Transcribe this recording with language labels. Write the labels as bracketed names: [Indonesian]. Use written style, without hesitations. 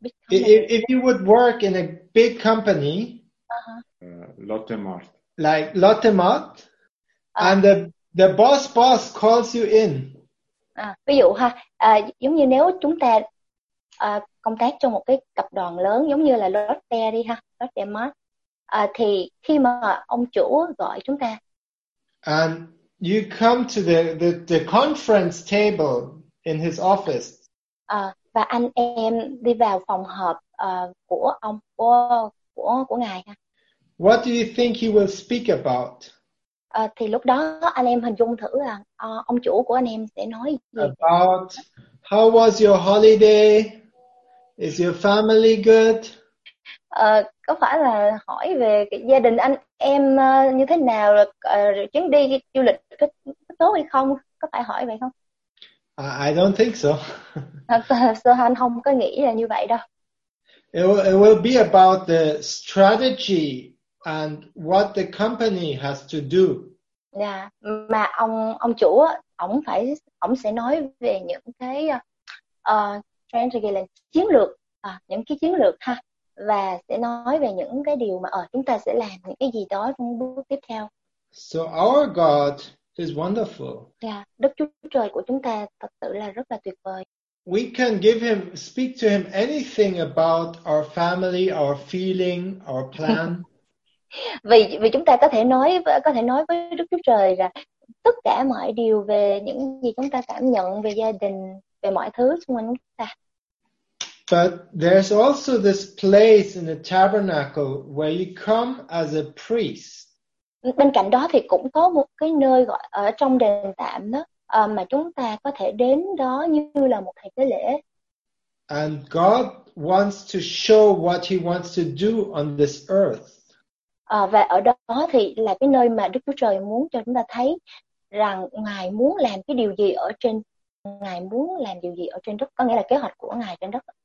[English] if you would work in a big company, Lotte Mart. Like Lotte Mart, and the boss calls you in. [Vietnamese] Ví dụ ha, giống như nếu chúng ta công tác cho một cái tập đoàn lớn giống như là Lotte đi ha, Lotte Mart. Thì khi mà ông chủ gọi chúng ta, [English] and you come to the conference table in his office. [Vietnamese] Và anh em đi vào phòng họp của ông của ngài ha. [English] What do you think he will speak about? [Vietnamese] Thì lúc đó anh em hình dung thử là ông chủ của anh em sẽ nói gì. [English] About how was your holiday? Is your family good? [Vietnamese] Có phải là hỏi về gia đình anh em như thế nào, chuyến đi du lịch có tốt hay không? Có phải hỏi vậy không? [English] I don't think so. [Vietnamese] So anh không có nghĩ là như vậy đâu. [English] It will be about the strategy and what the company has to do. [Vietnamese] Yeah, mà ông chủ ổng phải ổng sẽ nói về những cái strategy là chiến lược, những cái chiến lược ha, và sẽ nói về những cái điều mà chúng ta sẽ làm những cái gì đó trong bước tiếp theo. [English] So our God is wonderful. [Vietnamese] Yeah, Đức Chúa Trời của chúng ta thật sự là rất là tuyệt vời. [English] We can give him, speak to him anything about our family, our feeling, our plan. [Vietnamese] Vì chúng ta có thể nói với Đức Chúa Trời là tất cả mọi điều về những gì chúng ta cảm nhận về gia đình, về mọi thứ xung quanh chúng ta. [English] But there's also this place in the tabernacle where you come as a priest. [Vietnamese] Bên cạnh đó thì cũng có một cái nơi gọi ở trong đền tạm đó mà chúng ta có thể đến đó như là một thầy tế lễ. [English] And God wants to show what he wants to do on this earth. [Vietnamese] Và ở đó thì là cái nơi mà Đức Chúa Trời muốn cho chúng ta thấy rằng Ngài muốn làm cái điều gì ở trên, Ngài muốn làm điều gì ở trên đất, có nghĩa là kế hoạch của Ngài trên đất.